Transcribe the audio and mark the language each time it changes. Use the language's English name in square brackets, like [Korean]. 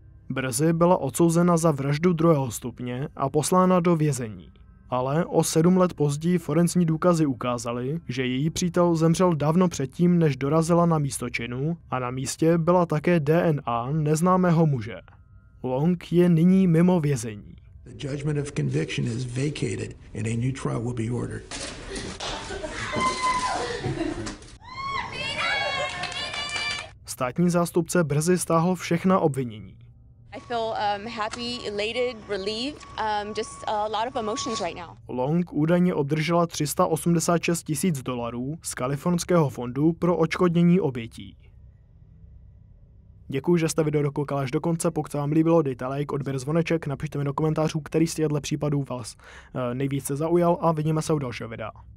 [Czech] Brzy byla odsouzena za vraždu druhého stupně a poslána do vězení. Ale o 7 let později forenzní důkazy ukázaly, že její přítel zemřel dávno předtím, než dorazila na místo činu a na místě byla také DNA neznámého muže. Long je nyní mimo vězení. [English] The judgment of conviction is vacated and a new trial will be ordered. [Czech] Státní zástupce brzy stáhl všechna obvinění. [English] I feel happy, elated, relieved. Just a lot of emotions right now. [Czech] Long údajně obdržela $386,000 z kalifornského fondu pro odškodnění obětí. Děkuji, že jste video dokoukali až do konce. Pokud se vám líbilo, dejte like, odběr, zvoneček, napište mi do komentářů, který z těchto případů vás nejvíce zaujal a vidíme se u dalšího videa.